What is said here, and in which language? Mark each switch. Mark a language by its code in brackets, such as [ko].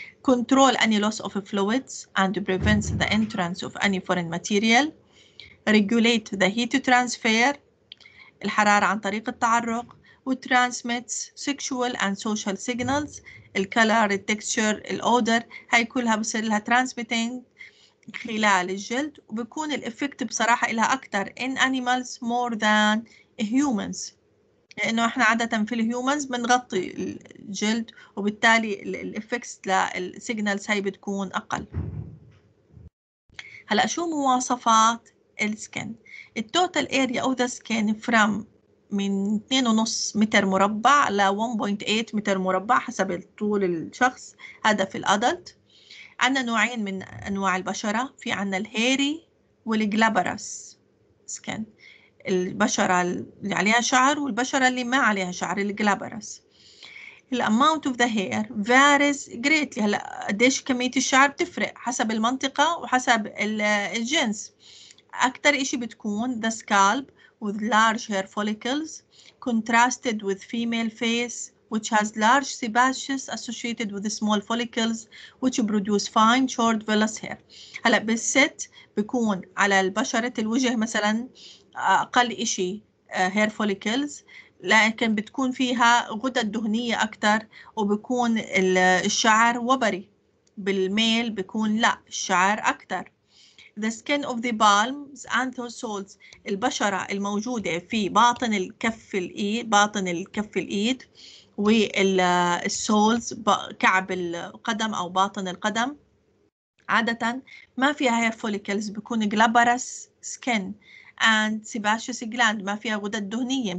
[en] Control any loss of fluids and prevents the entrance of any foreign material. Regulate the heat transfer, [ar] الحرارة عن طريق التعرق. [en] Transmits sexual and social signals, color, texture, odor. [ar] هاي كلها بصير لها transmitting خلال الجلد، وبكون الإفكت بصراحة لها أكتر [en] in animals more than humans. [ar] لأنه إحنا عادة في الهيومنز بنغطي الجلد، وبالتالي الإفكس للسيجنالز هاي بتكون أقل. هلأ شو مواصفات السكن؟ [en] التوتال area of the سكن from [ar] من 2.5 متر مربع ل 1.8 متر مربع حسب طول الشخص، هذا في الأدلت. عنا نوعين من أنواع البشرة، في عنا الهيري والجلابرس سكن، البشرة اللي عليها شعر والبشرة اللي ما عليها شعر الجلابرس. [en] الأماونت of the hair varies greatly, [ar] هلا قديش كمية الشعر بتفرق حسب المنطقة وحسب الجنس. أكتر إشي بتكون [en] The scalp with large hair follicles contrasted with female face which has large sebaceous associated with small follicles which produce fine short vellus hair. [ar] هلا بالست بكون على البشرة الوجه مثلا أقل إشي hair follicles، لكن بتكون فيها غدد دهنية أكتر وبكون الشعر وبري. بالميل بكون لا الشعر أكتر. [en] The skin of the palms and the soles، [ar] البشرة الموجودة في باطن الكف الإيد، باطن الكف الإيد والسولز كعب القدم أو باطن القدم، عادة ما فيها hair follicles، بكون [en] glabrous skin and sebaceous gland، [ar] ما فيها غدد دهنية.